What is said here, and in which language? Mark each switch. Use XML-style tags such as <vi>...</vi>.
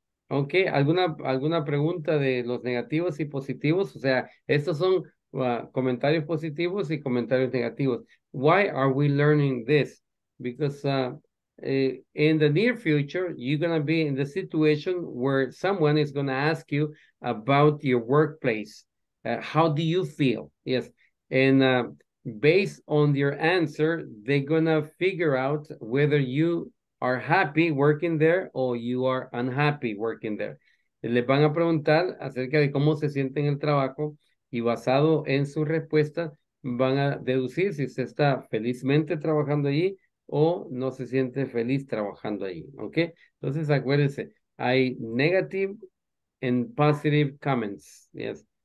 <es>Okay, ¿alguna pregunta de los negativos y positivos? O sea, estos son comentarios positivos y comentarios negativos.</es> <en>Why are we learning this? Because in the near future, you're going to be in the situation where someone is going to ask you about your workplace. How do you feel? Yes. And based on your answer, they're going to figure out whether you are happy working there or you are unhappy working there.</en> <es>Les van a preguntar acerca de cómo se sienten en el trabajo y basado en su respuesta, van a deducir si se está felizmente trabajando allí o no se siente feliz trabajando allí. Okay? Entonces, acuérdense, hay</es> <en>negative and positive comments. Yes.</en>